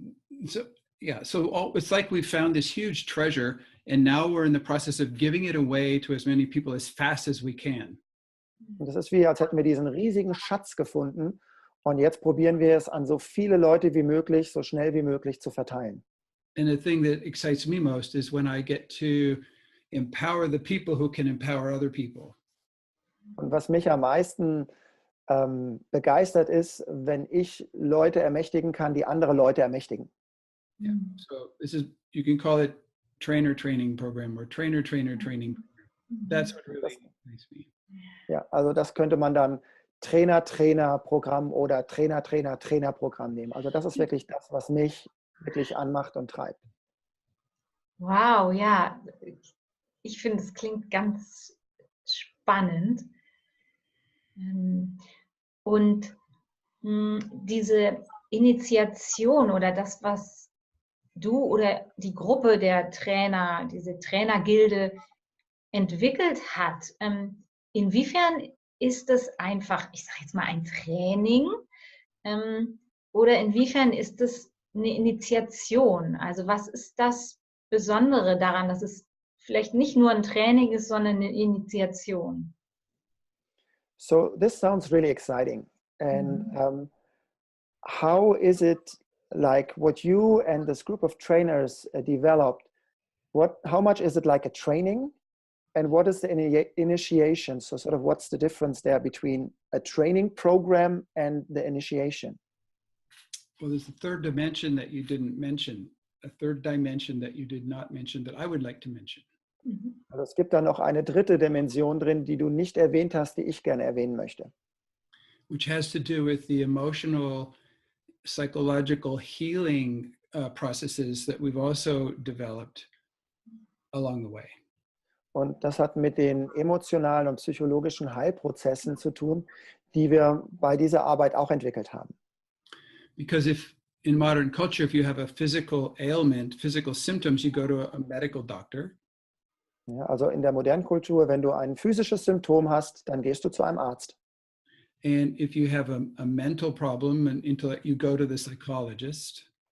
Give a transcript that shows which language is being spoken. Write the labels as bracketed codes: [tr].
[en] It's like we found this huge treasure and now we're in the process of giving it away to as many people as fast as we can. [de] Und das ist wie, als hätten wir diesen riesigen Schatz gefunden und jetzt probieren wir es an so viele Leute wie möglich, so schnell wie möglich zu verteilen. [en] And the thing that excites me most is when I get to empower the people who can empower other people. [de] Und was mich am meisten begeistert ist, wenn ich Leute ermächtigen kann, die andere Leute ermächtigen. [en] Yeah. So this is, you can call it trainer training program or trainer training program. That's what really excites me. [de] Ja, also das könnte man dann Trainer-Trainer-Programm oder Trainer-Trainer-Trainer-Programm nehmen. Also das ist wirklich das, was mich wirklich anmacht und treibt. Wow, ja. Ich finde, es klingt ganz spannend. Und diese Initiation oder das, was du oder die Gruppe der Trainer, diese Trainergilde entwickelt hat, inwiefern ist das einfach, ich sage jetzt mal, ein Training? Oder inwiefern ist das eine Initiation? Also was ist das Besondere daran, dass es vielleicht nicht nur ein Training ist, sondern eine Initiation? [en] So this sounds really exciting. And how is it like what you and this group of trainers developed? How much is it like a training? And what is the initiation? So sort of what's the difference there between a training program and the initiation? Well, there's a third dimension that you didn't mention, a third dimension that you did not mention that I would like to mention. Mm-hmm. [de] Also es gibt da noch eine dritte Dimension drin, die du nicht erwähnt hast, die ich gerne erwähnen möchte. [en] Which has to do with the emotional, psychological healing processes that we've also developed along the way. [de] Und das hat mit den emotionalen und psychologischen Heilprozessen zu tun, die wir bei dieser Arbeit auch entwickelt haben. [en] Because if in modern culture, if you have a physical ailment, physical symptoms, you go to a medical doctor. [de] Ja, also in der modernen Kultur, wenn du ein physisches Symptom hast, dann gehst du zu einem Arzt. [en] And if you have a mental problem, an intellect, you go to the psychologist.